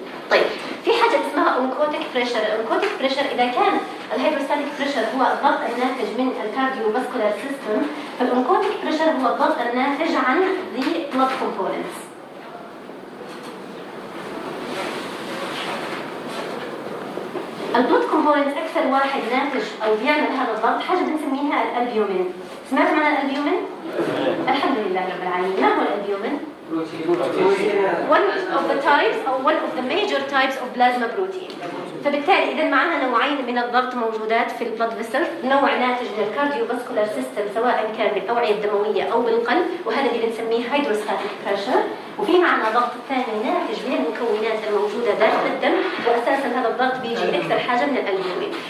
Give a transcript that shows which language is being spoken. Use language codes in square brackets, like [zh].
[ar] طيب في حاجة اسمها أونكوتيك بريشر. الأونكوتيك بريشر إذا كان الهيدروستاتيك بريشر هو الضغط الناتج من الكارديو فاسكولار سيستم، فالأونكوتيك بريشر هو الضغط الناتج عن ذي بلود كومبوننتس. البلود كومبوننت اكثر واحد ناتج او بيعمل هذا الضغط حاجه بنسميها الالبيومين. سمعت عن الالبيومين؟ الحمد لله رب العالمين. ما هو الالبيومين؟ بروتين. [en] One of the types or one of the major types of plasma protein. [ar] فبالتالي اذا معنا نوعين من الضغط موجودات في البلد فيسل، نوع ناتج من الكارديو فاسكولار سيستم سواء كان بالاوعيه الدمويه او بالقلب، وهذا اللي بنسميه هيدروستاتيك بريشر. وفي معنا الضغط الثاني ناتج من المكونات الموجوده داخل الدم، واساسا هذا الضغط بيجي اكثر حاجه من الالبيومي.